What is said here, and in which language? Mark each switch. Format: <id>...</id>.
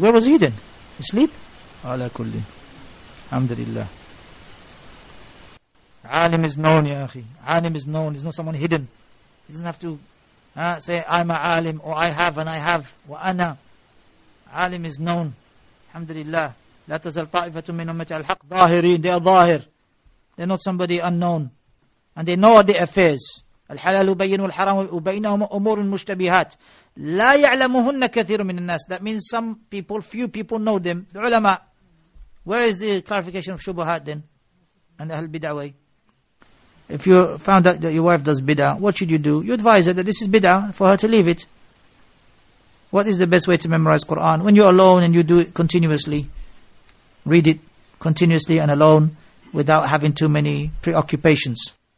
<en>Where was he then? Asleep? Ala kulli. Alhamdulillah. Alim is known, ya akhi. Alim is known. There's not someone hidden. He doesn't have to say, I'm a alim, or I have and I have. Wa ana. Alim is known. Alhamdulillah.</en> <ar>لا تزال طائفة من أمة الحق ظاهرين.</ar> <en>They are ظاهر. They're not somebody unknown. And they know the affairs.</en> <ar>الحلال بين والحرام وبينهم أمور مشتبهات. لا يعلمهن كثير من الناس.</ar> <en>That means some people, few people know them. The ulama. Where is the clarification of shubuhat then? And</en> <ar>أهل البدع</ar> <en>way. If you found out that your wife does bid'a, what should you do? You advise her that this is bid'a for her to leave it. What is the best way to memorize Quran? When you're alone and you do it continuously, read it continuously and alone without having too many preoccupations.</en>